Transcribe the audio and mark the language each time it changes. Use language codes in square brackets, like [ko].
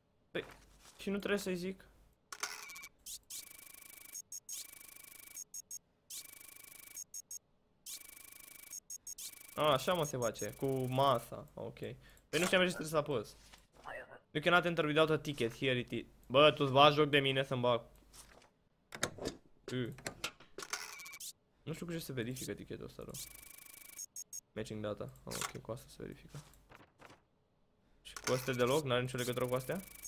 [ro] Păi, și nu trebuie să-i zic? A, așa mă se face, cu masa, ok. Păi nu știam ce trebuie să apăs. [en] You cannot enter without a ticket, here it is. [ro] Bă, tu-ți bagi joc de mine să-mi bag. Nu știu cu ce se verifică etichetul ăsta, rău. [en] Matching data. [ro] Oh, ok, cu asta se verifică. Și cu astea deloc? N-are nicio legătură cu astea?